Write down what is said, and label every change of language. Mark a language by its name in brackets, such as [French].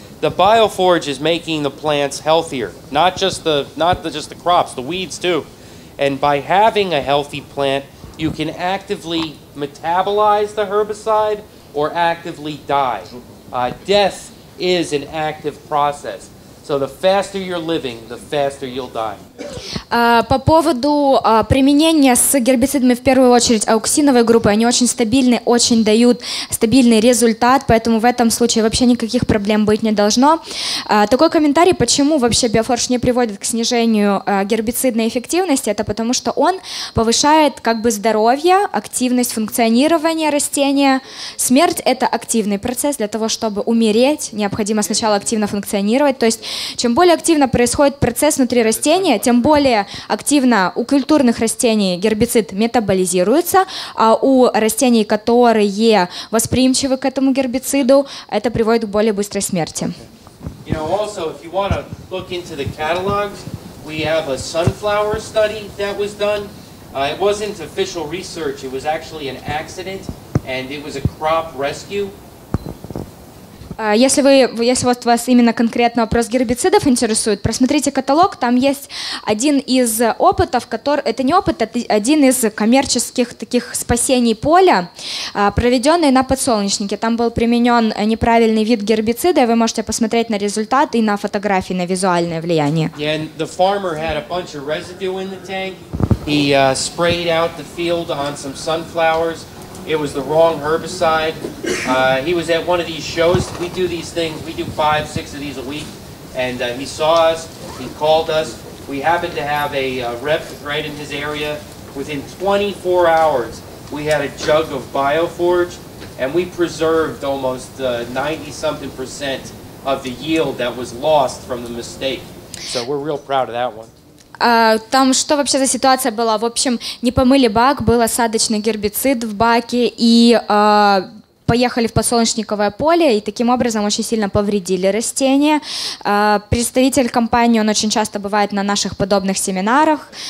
[English] The BioForge is making the plants healthier, not just the crops, the weeds too. And by having a healthy plant, you can actively metabolize the herbicide or actively die. Death is an active process. So the faster you're living, the faster you'll die. [Russian] По поводу применения с гербицидами в первую очередь ауксиновой группы, они очень стабильны, очень дают стабильный результат, поэтому в этом случае вообще никаких проблем быть не должно. Такой комментарий, почему вообще BioForge не приводит к снижению гербицидной эффективности, это потому что он повышает как бы здоровье, активность функционирования растения. Смерть – это активный процесс, для того чтобы умереть, необходимо сначала активно функционировать. То есть чем более активно происходит процесс внутри растения, тем более активно у культурных растений гербицид метаболизируется, а у растений, которые восприимчивы к этому гербициду, это приводит к более быстрой смерти. [English] You know, also, if you want to look into the catalogs, we have a sunflower study that was done. It wasn't official research, it was actually an accident, and it was a crop rescue. [Russian] Если вот вас именно конкретно вопрос гербицидов интересует, просмотрите каталог, там есть один из опытов, один из коммерческих таких спасений поля, проведенный на подсолнечнике. Там был применен неправильный вид гербицида, и вы можете посмотреть на результат и на фотографии, на визуальное влияние. [English] Yeah, and the farmer had a bunch of residue in the tank. He sprayed out the field on some sunflowers. It was the wrong herbicide. He was at one of these shows. We do these things. We do 5-6 of these a week. And he saw us. He called us. We happened to have a rep right in his area. Within 24 hours, we had a jug of BioForge, and we preserved almost 90-something percent of the yield that was lost from the mistake. So we're real proud of that one. [Russian] Там что вообще за ситуация была? В общем, не помыли бак, был осадочный гербицид в баке, и поехали в подсолнечниковое поле, и таким образом очень сильно повредили растение. Представитель компании, он очень часто бывает на наших подобных семинарах.